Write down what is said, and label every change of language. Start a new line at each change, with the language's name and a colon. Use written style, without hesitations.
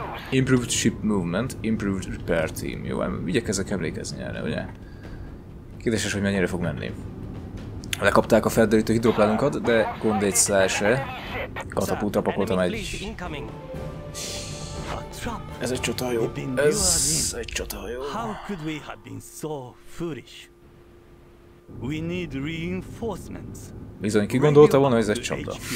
English: Improved ship movement, improved repair team.
Hungarian: Jó, igyekezek emlékezni erre, ugye? Kérdéses, hogy mennyire fog menni. Lekapták a felderítő hidroplánunkat, de gond egy szelse. Katapultra pakoltam egy... Ez egy csatahajó. Ez egy csatahajó.
English: How could we have been so foolish? We need reinforcements.
Hungarian: Bizony, ki gondolta volna, hogy ez egy csapda.